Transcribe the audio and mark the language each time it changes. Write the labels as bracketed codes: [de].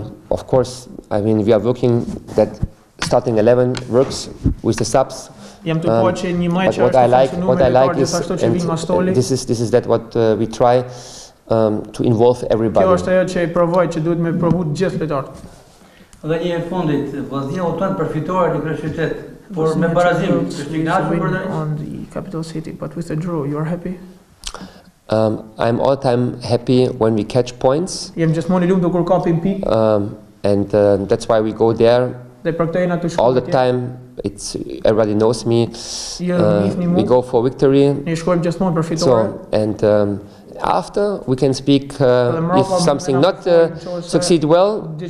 [en] Of course, I mean we are working that starting 11 works with the subs. But what I like is this is that what we try to involve everybody. [sq] Kjo është ajo që provoj që duhet me provu të gjithë lojtarët. Dhe një herë fundit, Vllaznia uton për fitore në qytet, por me barazim, është një gnaçje për ndaj [en] capital city, but with a draw, you are happy? I'm all the time happy when we catch points. [sq] Jam gjithmonë I lumtur kur kapim pikë. [en] And that's why we go there. All the time, it's everybody knows me. We go for victory. [sq] Ne shkojmë gjithmonë për fitore. [en] So, and after we can speak if something not succeed well.